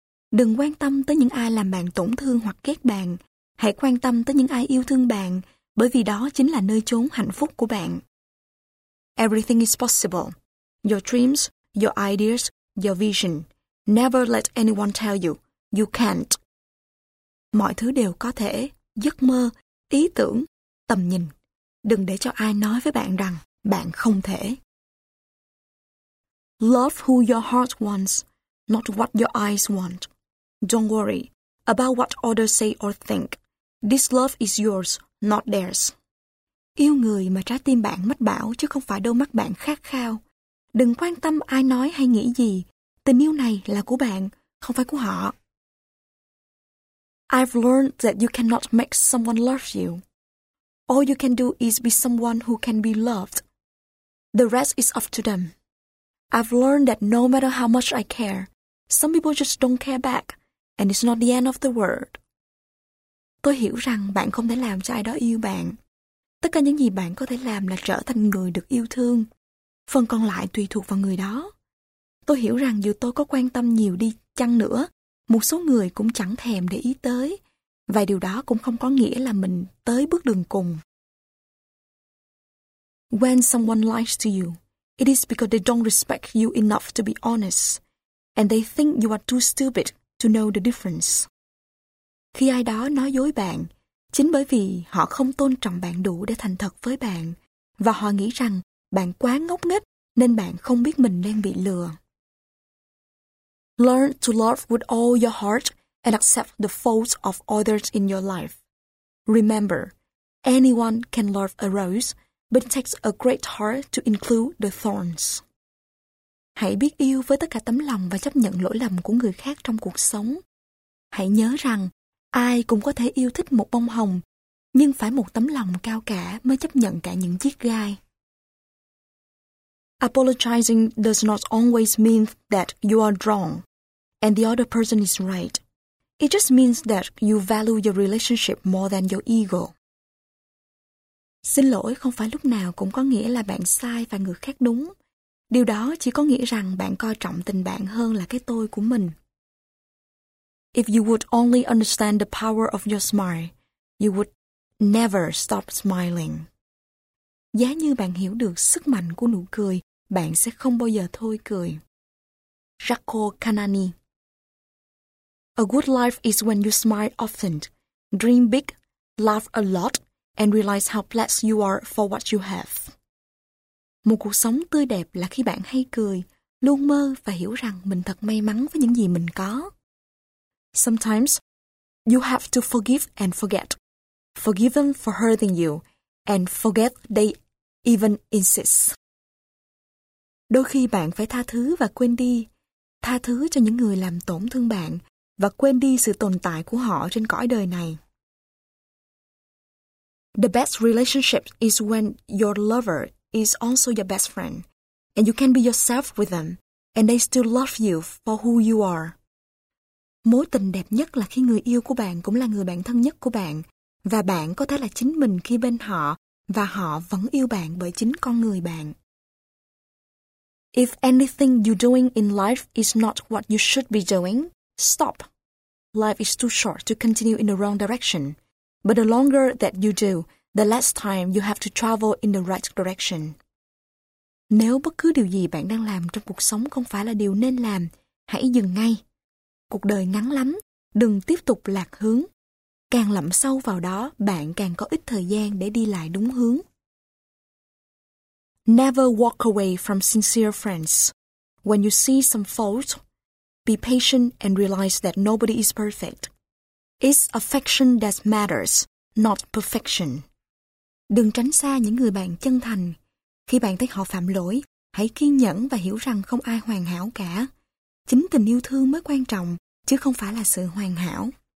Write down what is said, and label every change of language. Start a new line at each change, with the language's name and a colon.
Vietnamese: Đừng quan tâm tới những ai làm bạn tổn thương hoặc ghét bạn. Hãy quan tâm tới những ai yêu thương bạn, bởi vì đó chính là nơi chốn hạnh phúc của bạn.
English: Everything is possible. Your dreams, your ideas, your vision. Never let anyone tell you, you can't.
Vietnamese: Mọi thứ đều có thể, giấc mơ, ý tưởng, tầm nhìn. Đừng để cho ai nói với bạn rằng bạn không thể.
English: Love who your heart wants, not what your eyes want. Don't worry about what others say or think. This love is yours, not theirs.
Vietnamese: Yêu người mà trái tim bạn mách bảo chứ không phải đôi mắt bạn khát khao. Đừng quan tâm ai nói hay nghĩ gì. Tình yêu này là của bạn, không phải của họ.
English: I've learned that you cannot make someone love you. All you can do is be someone who can be loved. The rest is up to them. I've learned that no matter how much I care, some people just don't care back, and it's not the end of the world.
Vietnamese: Tôi hiểu rằng bạn không thể làm cho ai đó yêu bạn. Tất cả những gì bạn có thể làm là trở thành người được yêu thương. Phần còn lại tùy thuộc vào người đó. Tôi hiểu rằng dù tôi có quan tâm nhiều đi chăng nữa, một số người cũng chẳng thèm để ý tới. Và điều đó cũng không có nghĩa là mình tới bước đường cùng.
English: When someone lies to you, it is because they don't respect you enough to be honest. And they think you are too stupid to know the difference.
Vietnamese: Khi ai đó nói dối bạn, chính bởi vì họ không tôn trọng bạn đủ để thành thật với bạn. Và họ nghĩ rằng bạn quá ngốc nghếch, nên bạn không biết mình đang bị lừa.
English: Learn to love with all your heart and accept the faults of others in your life. Remember, anyone can love a rose, but it takes a great heart to include the thorns.
Vietnamese: Hãy biết yêu với tất cả tấm lòng và chấp nhận lỗi lầm của người khác trong cuộc sống. Hãy nhớ rằng, ai cũng có thể yêu thích một bông hồng, nhưng phải một tấm lòng cao cả mới chấp nhận cả những chiếc gai.
English: Apologizing does not always mean that you are wrong and the other person is right. It just means that you value your relationship more than your ego.
Vietnamese: Xin lỗi không phải lúc nào cũng có nghĩa là bạn sai và người khác đúng. Điều đó chỉ có nghĩa rằng bạn coi trọng tình bạn hơn là cái tôi của mình.
English: If you would only understand the power of your smile, you would never stop smiling.
Vietnamese: Giá như bạn hiểu được sức mạnh của nụ cười, bạn sẽ không bao giờ thôi cười.
English: Jaco Kanani. A good life is when you smile often, dream big, laugh a lot, and realize how blessed you are for what you have.
Vietnamese: Một cuộc sống tươi đẹp là khi bạn hay cười, luôn mơ và hiểu rằng mình thật may mắn với những gì mình có.
English: Sometimes, you have to forgive and forget. Forgive them for hurting you, and forget they even insist.
Vietnamese: Đôi khi bạn phải tha thứ và quên đi. Tha thứ cho những người làm tổn thương bạn và quên đi sự tồn tại của họ trên cõi đời này.
English: The best relationship is when your lover is also your best friend, and you can be yourself with them, and they still love you for who you are.
Vietnamese: Mối tình đẹp nhất là khi người yêu của bạn cũng là người bạn thân nhất của bạn, và bạn có thể là chính mình khi bên họ, và họ vẫn yêu bạn bởi chính con người bạn.
English: If anything you're doing in life is not what you should be doing, stop. Life is too short to continue in the wrong direction. But the longer that you do, the less time you have to travel in the right direction.
Vietnamese: Nếu bất cứ điều gì bạn đang làm trong cuộc sống không phải là điều nên làm, hãy dừng ngay. Cuộc đời ngắn lắm, đừng tiếp tục lạc hướng. Càng lặn sâu vào đó, bạn càng có ít thời gian để đi lại đúng hướng.
English: Never walk away from sincere friends. When you see some faults, be patient and realize that nobody is perfect. It's affection that matters, not perfection.
Vietnamese: Đừng tránh xa những người bạn chân thành. Khi bạn thấy họ phạm lỗi, hãy kiên nhẫn và hiểu rằng không ai hoàn hảo cả. Chính tình yêu thương mới quan trọng, chứ không phải là sự hoàn hảo.